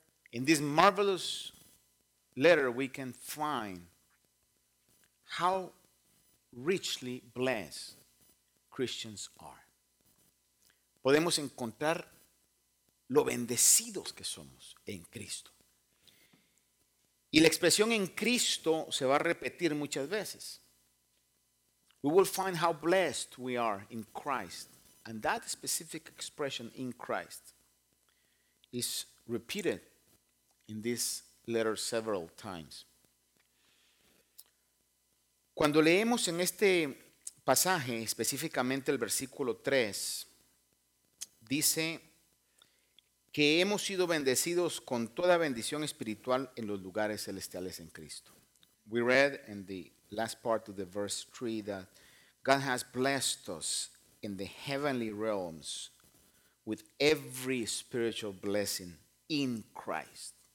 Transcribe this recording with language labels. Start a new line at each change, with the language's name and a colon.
English: In this marvelous letter we can find how richly blessed Christians are.
Spanish: Podemos encontrar lo bendecidos que somos en Cristo. Y la expresión en Cristo se va a repetir muchas veces.
English: We will find how blessed we are in Christ. And that specific expression in Christ is repeated in this letter several times.
Spanish: Cuando leemos en este pasaje, específicamente el versículo 3, dice que hemos sido bendecidos con toda bendición espiritual en los lugares celestiales en Cristo.
English: We read in the last part of the verse 3 that God has blessed us in the heavenly realms with every spiritual blessing in Christ.